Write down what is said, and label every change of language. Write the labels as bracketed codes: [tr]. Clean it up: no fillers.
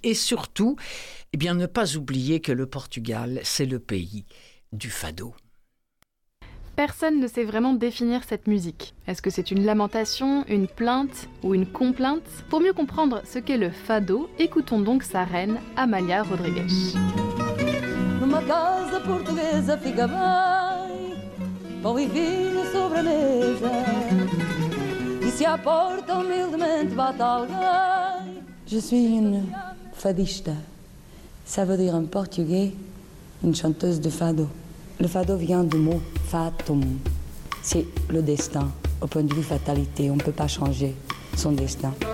[fr] Et surtout, eh bien, ne pas oublier que le Portugal, c'est le pays du fado. Personne ne sait vraiment définir cette musique. Est-ce que c'est une lamentation, une plainte ou une complainte ? Pour mieux comprendre ce qu'est le fado, écoutons donc sa reine, Amália Rodrigues. [pt] Numa casa portuguesa fica bem, pão e vinho sobre a mesa. E se à porta humildemente bate alguém. [fr] Je suis une fadista. Ça veut dire en portugais une chanteuse de fado. Le fado vient du mot fatum. C'est le destin. Au point de vue fatalité, on ne peut pas changer son destin.